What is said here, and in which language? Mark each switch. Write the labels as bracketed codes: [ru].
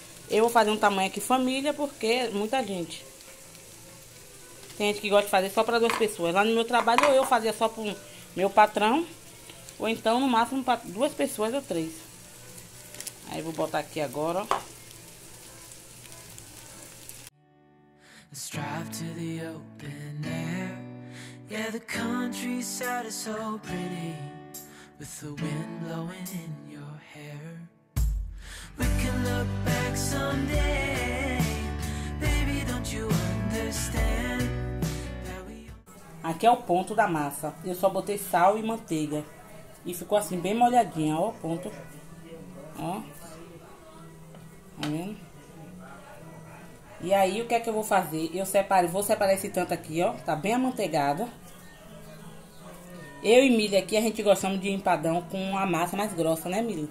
[pt] Eu vou fazer um tamanho aqui família, porque muita gente. Tem gente que gosta de fazer só para duas pessoas. Lá no meu trabalho, ou eu fazia só para meu patrão, ou então no máximo para duas pessoas ou três. Aí vou botar aqui agora, ó. [en] Let's drive to the open air. Yeah, the countryside is so pretty. With the wind blowing in your hair. We can look back someday. Baby, don't you understand? [pt] Aqui é o ponto da massa. Eu só botei sal e manteiga. E ficou assim, bem molhadinha. Ó, o ponto. Ó. Tá vendo? E aí, o que é que eu vou fazer? Vou separar esse tanto aqui, ó. Tá bem amanteigado. Eu e Milha aqui, a gente gostamos de empadão com a massa mais grossa, né, Milha?